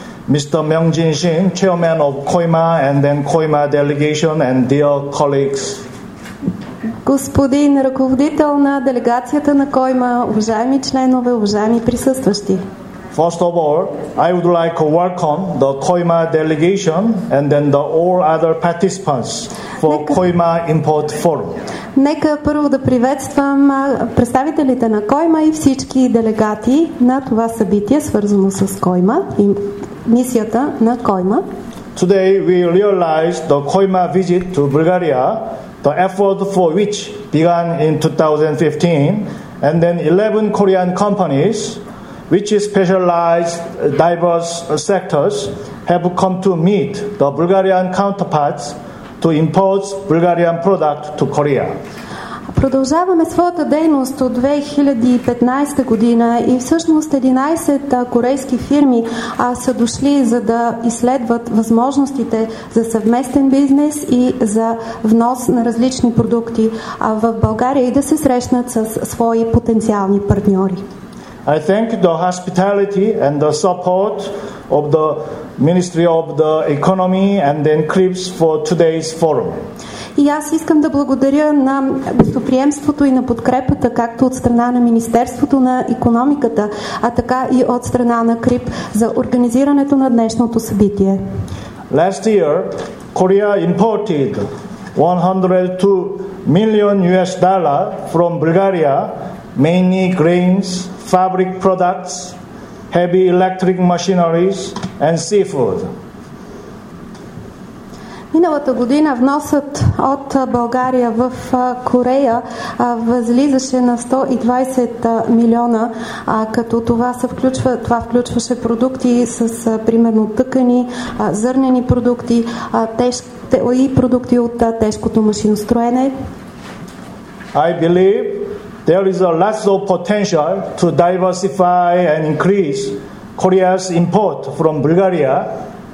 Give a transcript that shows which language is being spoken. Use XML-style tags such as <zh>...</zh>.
<en>Mr. Myungjin Shin, Chairman of COIMA and then COIMA Delegation and dear colleagues.</en> <bg>Господин ръководител на делегацията на КОИМА, уважаеми членове, уважаеми присъстващи.</bg> <en>First of all, I would like to welcome the COIMA delegation and then the all other participants for COIMA Import Forum.</en> <bg>Нека първо да приветствам представителите на КОИМА и всички делегати на това събитие, свързано с КОИМА и мисията на КОИМА.</bg> <en>Today we realize the COIMA visit to Bulgaria, the effort for which began in 2015, and then 11 Korean companies, which specialize diverse sectors, have come to meet the Bulgarian counterparts to import Bulgarian product to Korea.</en> <bg>Продължаваме своята дейност от 2015 година и всъщност 11 корейски фирми са дошли за да изследват възможностите за съвместен бизнес и за внос на различни продукти в България и да се срещнат с свои потенциални партньори.</bg> <en>I thank the hospitality and the support of the Ministry of the Economy and then CRIPS for today's forum.</en> <bg>И аз искам да благодаря на гостоприемството и на подкрепата, както от страна на Министерството на икономиката, а така и от страна на КРИП за организирането на днешното събитие.</bg> <en>Last year, Korea imported $102 million from Bulgaria, mainly grains, fabric products, heavy electric machineries and seafood.</en> <bg>Миналата година вносът от България в Корея възлизаше на 120 милиона, като това включваше продукти с примерно тъкани, зърнени продукти, и продукти от тежкото машиностроене.</bg> <en>I believe there is a lot of potential to diversify and increase Korea's import from Bulgaria.</en>